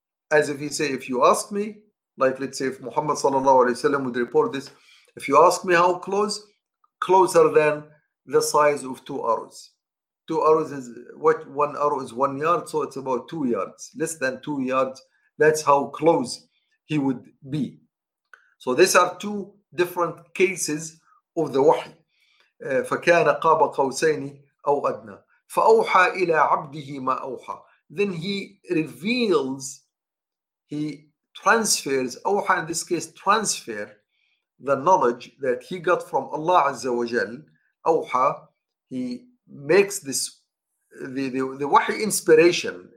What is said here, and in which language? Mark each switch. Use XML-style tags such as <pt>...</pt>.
<en>As if he say, if you ask me, like let's say if Muhammad sallallahu alaihi wasallam would report this, if you ask me how close, closer than the size of two arrows. Two arrows is what? One arrow is 1 yard, so it's about 2 yards, less than 2 yards. That's how close he would be. So these are two different cases of the wahy.</en> <ar>فكان قاب قوسين أو أدنى فأوحى إلى عبده ما أوحى.</ar> <en>Then he reveals, he transfers, أوحى in this case transfer the knowledge that he got from Allah Azza wa Jal. أوحى, he makes this the wahy inspiration.</en>